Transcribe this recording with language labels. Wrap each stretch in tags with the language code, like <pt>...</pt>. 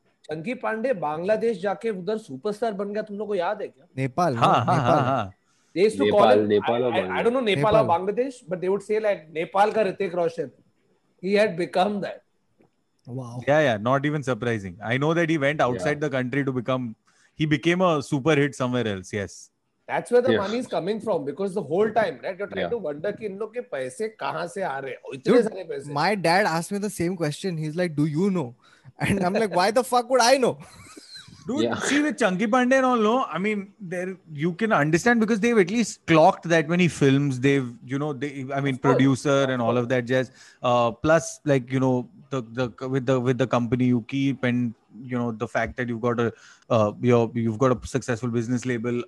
<hi>चंकी पांडे बांग्लादेश जाके उधर सुपरस्टार बन गया, तुम लोग को याद है क्या? नेपाल नेपाल और Bangladesh,</hi> <en>but they would say like</en> <hi>Nepal का</hi> <en>Hrithik Roshan, he had become that. Wow. Yeah, yeah. Not even surprising. I know that he went outside the country to become. He became a super hit somewhere else. Yes. That's where the money is coming from, because the whole time, right? You're trying to wonder</en> <hi>कि इन लोग के पैसे कहाँ से आ रहे हैं, इतने सारे पैसे.</hi> <en>My dad asked me the same question. He's like, "Do you know?" And I'm like, "Why the fuck would I know?" Dude, see the Chunky Pandey and all, no? I mean, there you can understand because they've at least clocked that many films. They've, you know, they, I mean, producer and all of that jazz. Plus, like, you know, the company you keep, and you know, the fact that you've got a you've got a successful business label.</en>